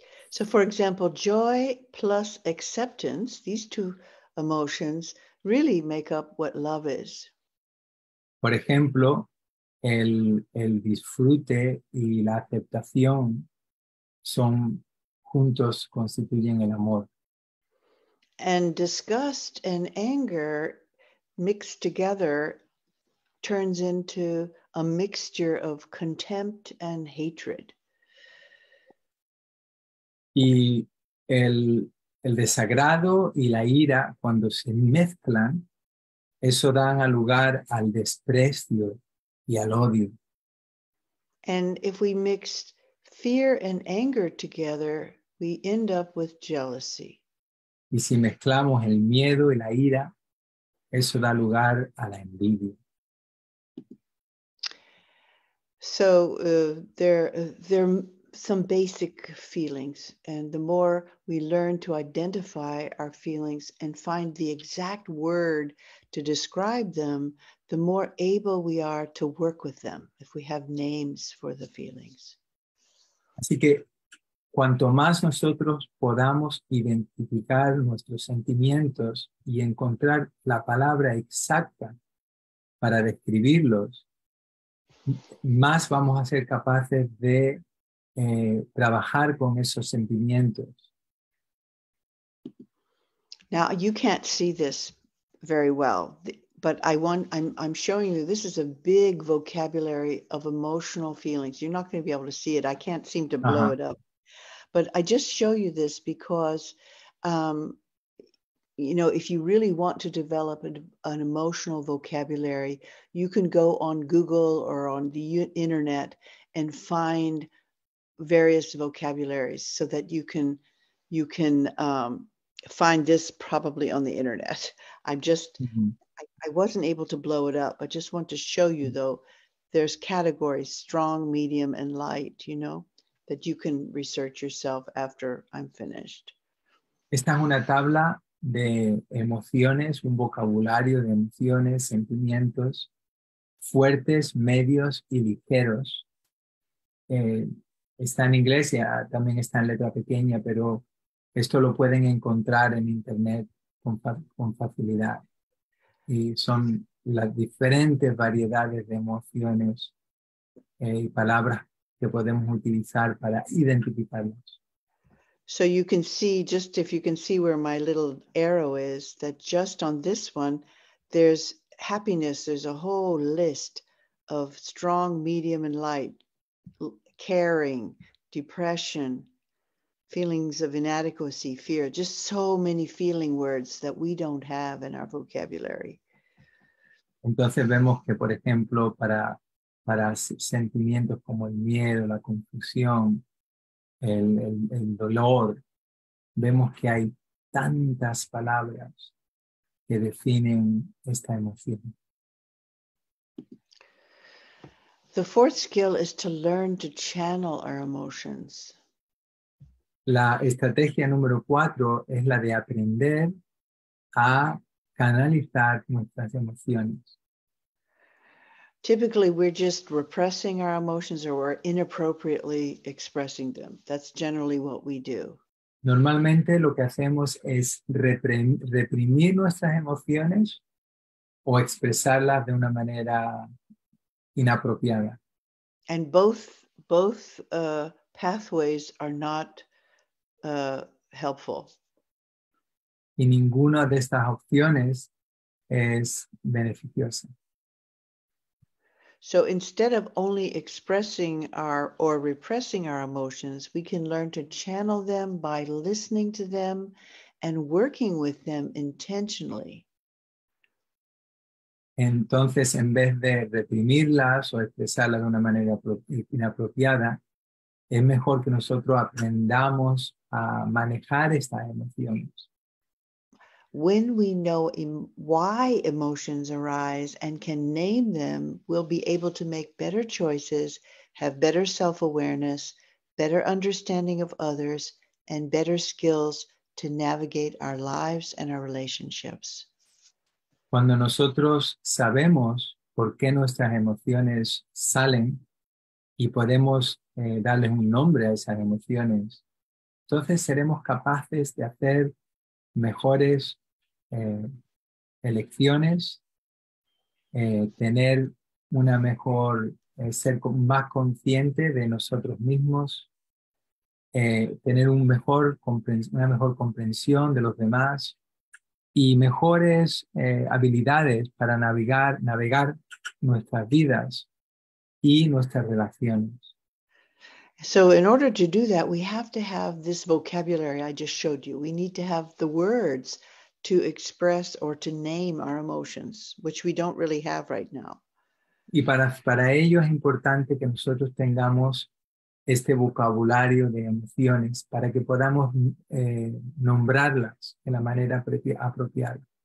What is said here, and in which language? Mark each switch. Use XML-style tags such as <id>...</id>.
<en>So for example, joy plus acceptance, these two emotions really make up what love is.</en> <es>Por ejemplo, el disfrute y la aceptación son juntos constituyen el amor.</es> <en>And disgust and anger mixed together turns into a mixture of contempt and hatred.</en> <es>Y el el desagrado y la ira, cuando se mezclan, eso dan a lugar al desprecio y al odio.</es> <en>And if we mix fear and anger together, we end up with jealousy.</en> <es>Y si mezclamos el miedo y la ira, eso da lugar a la envidia.</es> <en>So there are some basic feelings, and the more we learn to identify our feelings and find the exact word to describe them, the more able we are to work with them if we have names for the feelings.</en> <es>Así que cuanto más nosotros podamos identificar nuestros sentimientos y encontrar la palabra exacta para describirlos, más vamos a ser capaces de trabajar con esos sentimientos.</es> <en>Now, you can't see this very well, but I'm showing you, this is a big vocabulary of emotional feelings. You're not going to be able to see it. I can't seem to blow it up. But I just show you this because, you know, if you really want to develop an emotional vocabulary, you can go on Google or on the internet and find various vocabularies so that you can find this probably on the internet. I'm just, I wasn't able to blow it up. I just want to show you, though, there's categories, strong, medium, and light, you know, that you can research yourself after I'm finished.</en> <es>Esta es una tabla de emociones, un vocabulario de emociones, sentimientos fuertes, medios y ligeros. Está en inglés, y también está en letra pequeña, pero esto lo pueden encontrar en internet con facilidad. Y son las diferentes variedades de emociones y palabras que podemos utilizar para identificarlos.</es> <en>So you can see, just if you can see where my little arrow is, that just on this one, there's happiness, there's a whole list of strong, medium, and light, caring, depression, feelings of inadequacy, fear, just so many feeling words that we don't have in our vocabulary.</en> <es>Entonces vemos que, por ejemplo, para sentimientos como el miedo, la confusión, el dolor, vemos que hay tantas palabras que definen esta emoción.</es> <en>The fourth skill is to learn to channel our emotions.</en> <es>La estrategia número 4 es la de aprender a canalizar nuestras emociones.</es> <en>Typically, we're just repressing our emotions or we're inappropriately expressing them. That's generally what we do.</en> <es>Normalmente, lo que hacemos es reprimir nuestras emociones o expresarlas de una manera inapropiada.</es> <en>And both pathways are not helpful.</en> <es>Y ninguna de estas opciones es beneficiosa.</es> <en>So instead of only expressing our or repressing our emotions, we can learn to channel them by listening to them and working with them intentionally.</en> <es>Entonces, en vez de reprimirlas o expresarlas de una manera inapropiada, es mejor que nosotros aprendamos a manejar estas emociones.</es> <en>When we know why emotions arise and can name them, we'll be able to make better choices, have better self-awareness, better understanding of others, and better skills to navigate our lives and our relationships.</en> <es>Cuando nosotros sabemos por qué nuestras emociones salen y podemos darles un nombre a esas emociones, entonces seremos capaces de hacer mejores elecciones, tener una mejor, ser más consciente de nosotros mismos, tener una mejor comprensión de los demás y mejores habilidades para navegar nuestras vidas y nuestras relaciones.</es> <en>So in order to do that, we have to have this vocabulary I just showed you. We need to have the words to express or to name our emotions, which we don't really have right now.</en> <es>Y para ello es importante que nosotros tengamos este vocabulario de emociones para que podamos nombrarlas de la manera apropiada.</es>